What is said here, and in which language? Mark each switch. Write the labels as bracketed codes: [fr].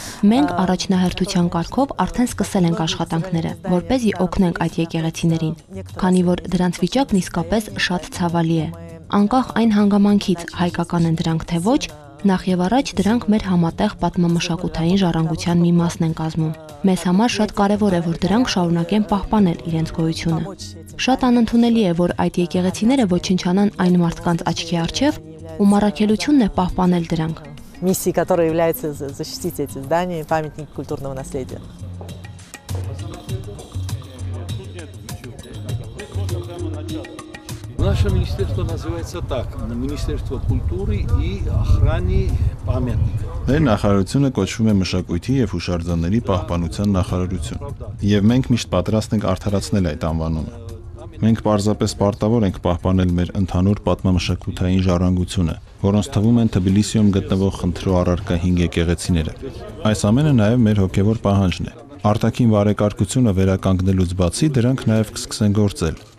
[hy] Մենք առաջնահերթության կարգով արդեն սկսել ենք աշխատանքները, որպեսզի օգնենք այդ եկեղեցիներին, քանի որ դրանց վիճակն իսկապես շատ ցավալի է։ Անկախ այն հանգամանքից, հայկական են դրանք թե ոչ, նախ և առաջ դրանք մեր համատեղ պատմամշակութային ժառանգության մի մասն են կազմում։ Մեզ համար շատ կարևոր է, որ դրանք շարունակեն պահպանել իրենց գոյությունը։ Շատ անընդունելի է, որ այդ եկեղեցիները ոչնչանան այն մարդկանց աչքի առջև, ում առաքելությունն է պահպանել դրանք։ [ru] Миссией, которая является защитить эти здания, памятники культурного наследия. У Наше министерство называется так: Министерство культуры и охраны памятников. [hy] Մեր նախարարությունը կոչվում է մշակույթի և հուշարձանների պահպանության նախարարություն։ Եվ մենք միշտ պատրաստ ենք արդարացնել այդ անվանումը։ Մենք պարզապես պարտավոր ենք պահպանել մեր ընդհանուր պատմամշակութային ժառանգությունը, որոնց թվում են Թբիլիսիում գտնվող Խնդրու առարկա 5 եկեղեցիները։ Այս ամենը նաև մեր հոգևոր պահանջն է։ Արտաքին բարեկարգությունը վերականգնելուց բացի դրանք նաև կսկսեն գործել։